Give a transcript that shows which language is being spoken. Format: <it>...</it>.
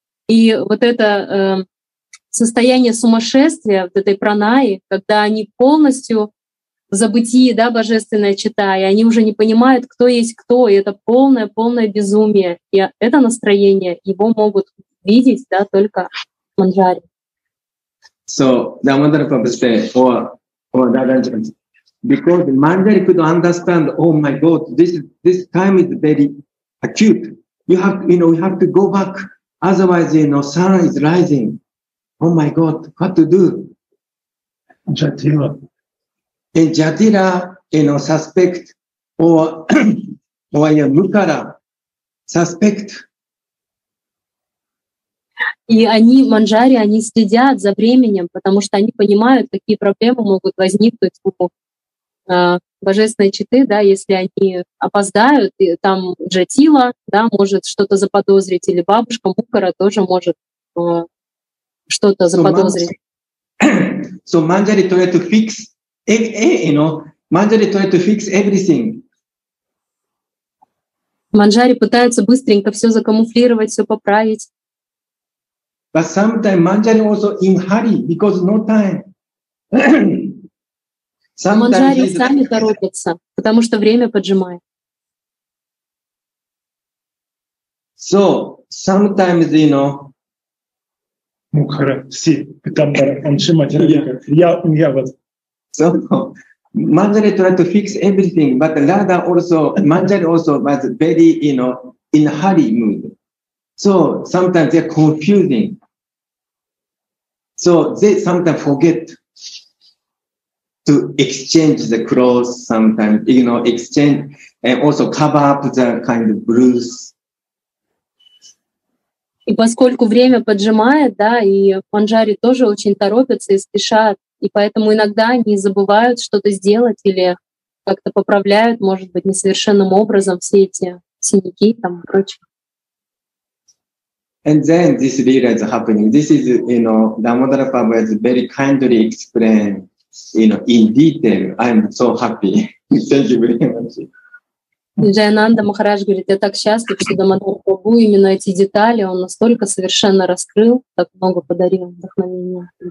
<ru>И вот это состояние сумасшествия, вот этой пранаи, когда они полностью в забытии, да, божественное читая, они уже не понимают, кто есть кто, и это полное безумие. И это настроение, его могут видеть, да, только манджари.</ru> <en>So, Дамодар Прабху said, because manjari could understand, oh my God, this time is very acute. You have to go back, otherwise, you know, sun is rising. Oh my God, what to do? Jatila. And Jatila, you know, suspect, or Mukara, suspect.</en> <ru>И они, манджари, они следят за временем, потому что они понимают, какие проблемы могут возникнуть у божественной читы, да, если они опоздают, и там Джатила, да, может что-то заподозрить, или бабушка Мукара тоже может что-то заподозрить.</ru> <en>So manjari try to fix, you know, manjari try to fix everything.</en> <ru>Манджари пытаются быстренько все закамуфлировать, все поправить.</ru> <en>But sometimes manjari also in hurry because no time.</en> <ru>Манджари сами торопятся, потому что время поджимает.</ru> <en>So sometimes, you know.</en> <ru>Мукхара, все, Питамбара, он шиматерика. Я вот.</ru> <en>So manjari try to fix everything, but Radha also, manjari also was very, you know, in hurry mood. So sometimes they're confusing. So they sometimes forget to exchange the clothes, sometimes, you know, exchange and also cover up the kind of bruise.</en> <ru>И поскольку время поджимает, да, и манджари тоже очень торопятся и спешат, и поэтому иногда они забывают что-то сделать или как-то поправляют, может быть, несовершенным образом все эти синяки там и прочее.</ru> <en>And then this lila is happening. This is, you know, Damodara Prabhu has very kindly explained, you know, in detail. I'm so happy. Thank you very much.</en> <ru>Джайананда Махарадж говорит, я так счастлив, что Дамодара Прабху именно эти детали он настолько совершенно раскрыл, так много подарил вдохновения.</ru>